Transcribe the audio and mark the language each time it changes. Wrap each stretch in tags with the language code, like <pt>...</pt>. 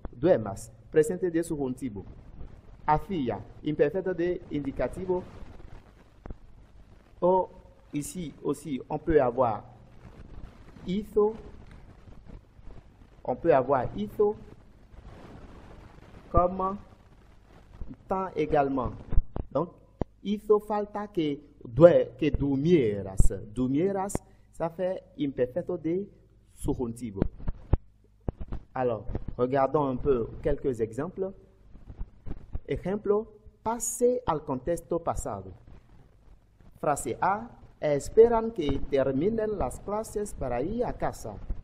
<es>Duermas, presente de subjuntivo. Hacía, imperfetto d'indicativo.</es> <fr>Oh, ici aussi, on peut avoir hizo, on peut avoir hizo comme temps également.</fr> <es>Donc, hizo falta que durmieras. Durmieras,</es> <fr>ça fait</fr> <es>imperfecto de subjuntivo.</es> <fr>Alors, regardons un peu quelques exemples.</fr> <es>Ejemplo, passé al contexto pasado. Phrase A, Esperan que terminen las clases para ir a casa.</es>